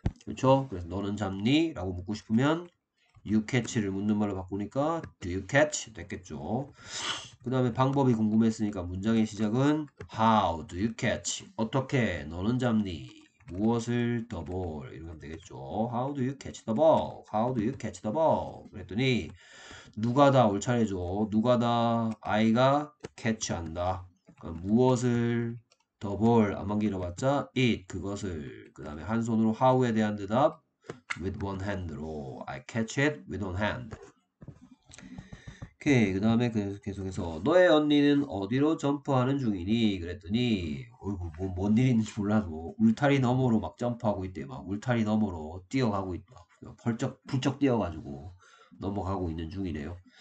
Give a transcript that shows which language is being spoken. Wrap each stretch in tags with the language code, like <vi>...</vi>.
<ko>그렇죠? 그래서 너는 잡니? 라고 묻고 싶으면 you catch를 묻는 말로 바꾸니까</ko> <en>do you catch?</en> <ko>됐겠죠. 그 다음에 방법이 궁금했으니까 문장의 시작은</ko> <en>how do you catch?</en> <ko>어떻게 너는 잡니? 무엇을 the ball 이러면 되겠죠.</ko> <en>How do you catch the ball? How do you catch the ball?</en> <ko>그랬더니 누가 다올 차례죠. 누가 다 아이가 캐치한다. 무엇을 the ball 안만 길어봤자 it 그것을 그 다음에 한 손으로 how에 대한 대답 with one hand로</ko> <en>I catch it with one hand.</en> <ko>오케이. 그 다음에 계속해서 너의 언니는 어디로 점프하는 중이니? 그랬더니 어이구 뭐뭔 일인지 몰라도 울타리 너머로 막 점프하고 있대. 막 울타리 너머로 뛰어가고 있다. 펄쩍 부쩍 뛰어가지고 넘어가고 있는 중이래요.</ko>